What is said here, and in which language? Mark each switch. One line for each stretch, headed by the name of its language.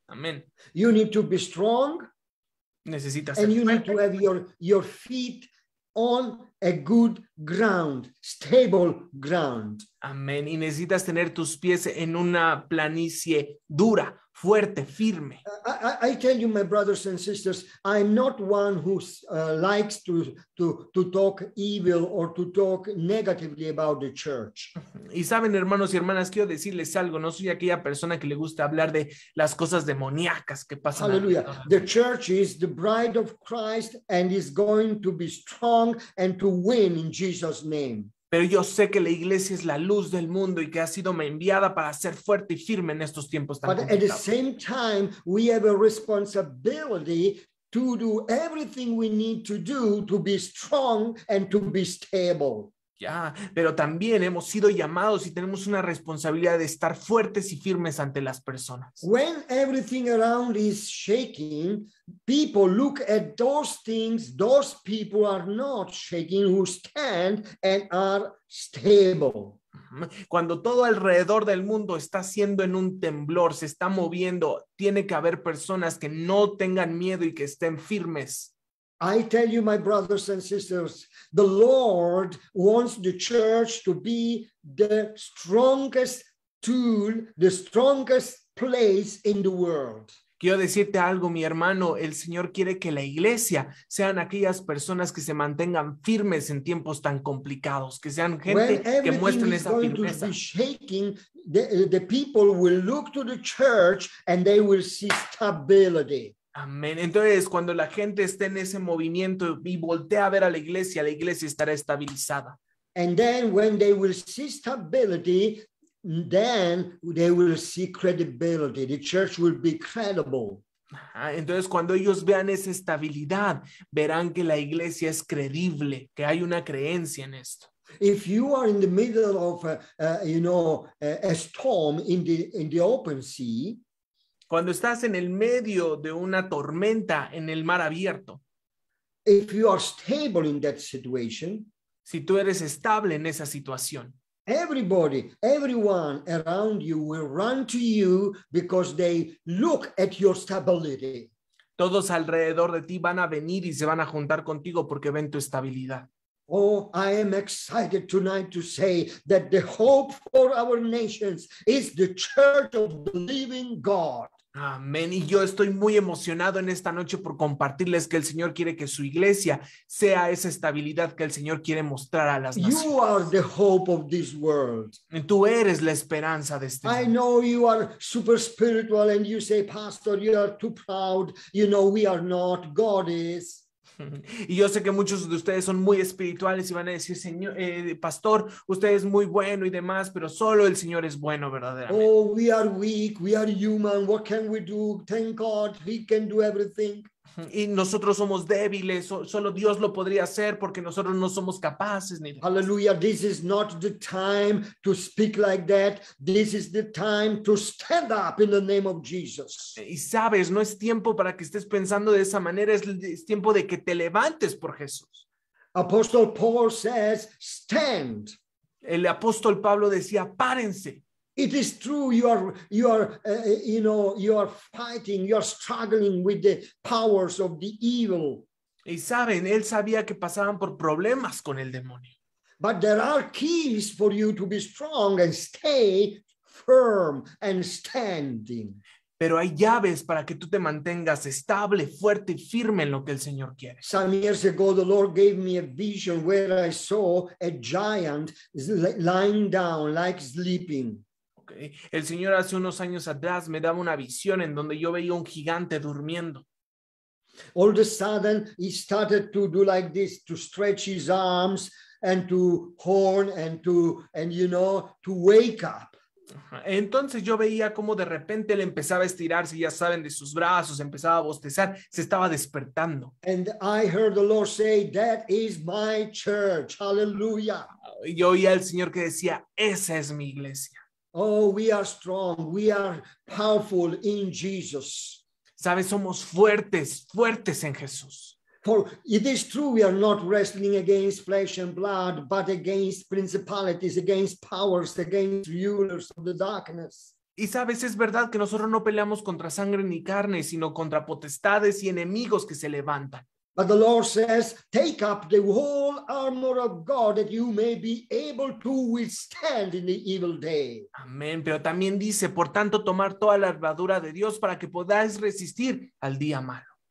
Spanish: Amén.
English: You need to be strong.
Spanish: Necesitas ser fuerte.
English: And you need to have your feet on a good ground, stable ground.
Spanish: Amén. Y necesitas tener tus pies en una planicie dura, fuerte, firme.
English: I tell you, my brothers and sisters, I'm not one who likes to talk evil or to talk negatively about the church.
Spanish: Y saben, hermanos y hermanas, quiero decirles algo. No soy aquella persona que le gusta hablar de las cosas demoníacas que pasan.
English: Hallelujah. The church is the bride of Christ and is going to be strong and to win in Jesus' name.
Spanish: Pero yo sé que la iglesia es la luz del mundo y que ha sido enviada para ser fuerte y firme en estos tiempos tan complicados.
English: But at the same time, we have a responsibility to do everything we need to do to be strong and to be stable.
Spanish: Ya, pero también hemos sido llamados y tenemos una responsabilidad de estar fuertes y firmes ante las personas.
English: When everything around is shaking, people look at those things, those people are not shaking who stand and are stable.
Spanish: Cuando todo alrededor del mundo está siendo en un temblor, se está moviendo, tiene que haber personas que no tengan miedo y que estén firmes.
English: I tell you, my brothers and sisters, the Lord wants the church to be the strongest tool, the strongest place in the world.
Spanish: Quiero decirte algo, mi hermano. El Señor quiere que la iglesia sean aquellas personas que se mantengan firmes en tiempos tan complicados, que sean gente que muestren esa firmeza.
English: When everything is going to be shaking, the people will look to the church and they will see stability.
Spanish: Amén. Entonces, cuando la gente esté en ese movimiento y voltea a ver a la iglesia estará estabilizada.
English: And then when they will see stability, then they will see credibility. The church will be credible.
Spanish: Ajá. Entonces, cuando ellos vean esa estabilidad, verán que la iglesia es creíble, que hay una creencia en esto.
English: If you are in the middle of a storm in the open sea,
Spanish: cuando estás en el medio de una tormenta en el mar abierto,
English: if you are stable in that situation,
Spanish: si tú eres estable en esa situación,
English: everybody, everyone around you will run to you because they look at your stability.
Spanish: Todos alrededor de ti van a venir y se van a juntar contigo porque ven tu estabilidad.
English: Oh, I am excited tonight to say that the hope for our nations is the church of the living God.
Spanish: Amén. Y yo estoy muy emocionado en esta noche por compartirles que el Señor quiere que su iglesia sea esa estabilidad que el Señor quiere mostrar a las naciones.
English: You are the hope of this world.
Spanish: Tú eres la esperanza de este mundo.
English: I know you are super spiritual and you say, Pastor, you are too proud. You know, we are not. God is.
Spanish: Y yo sé que muchos de ustedes son muy espirituales y van a decir, Señor, Pastor, usted es muy bueno y demás, pero solo el Señor es bueno verdaderamente.
English: Oh, we are weak, we are human, what can we do? Thank God, he can do everything.
Spanish: Y nosotros somos débiles, solo Dios lo podría hacer porque nosotros no somos capaces. Ni de...
English: Hallelujah, this is not the time to speak like that. This is the time to stand up in the name of Jesus.
Spanish: Y sabes, no es tiempo para que estés pensando de esa manera, es tiempo de que te levantes por Jesús.
English: Apostle Paul says, stand.
Spanish: El apóstol Pablo decía, párense.
English: It is true, you are fighting, you are struggling with the powers of the evil.
Spanish: Y saben, él sabía que pasaban por problemas con el demonio.
English: But there are keys for you to be strong and stay firm and standing.
Spanish: Pero hay llaves para que tú te mantengas estable, fuerte y firme en lo que el Señor quiere.
English: Some years ago, the Lord gave me a vision where I saw a giant lying down, like sleeping.
Spanish: El Señor hace unos años atrás me daba una visión en donde yo veía un gigante durmiendo.
English: All of a sudden he started to do like this, to stretch his arms and to horn and to wake up.
Spanish: Entonces yo veía cómo de repente él empezaba a estirarse, ya saben, de sus brazos, empezaba a bostezar, se estaba despertando.
English: And I heard the Lord say, that is my church, hallelujah.
Spanish: Yo oía al Señor que decía, esa es mi iglesia.
English: Oh, we are strong. We are powerful in Jesus.
Spanish: Sabes, somos fuertes, fuertes en Jesús.
English: For it is true, we are not wrestling against flesh and blood, but against principalities, against powers, against rulers of the darkness.
Spanish: Y sabes, es verdad que nosotros no peleamos contra sangre ni carne, sino contra potestades y enemigos que se levantan.
English: But the Lord says, take up the whole armor of God that you may be able to withstand in the evil day.
Spanish: Amén. Pero también dice, por tanto, tomar toda la armadura de Dios para que podáis resistir al día malo.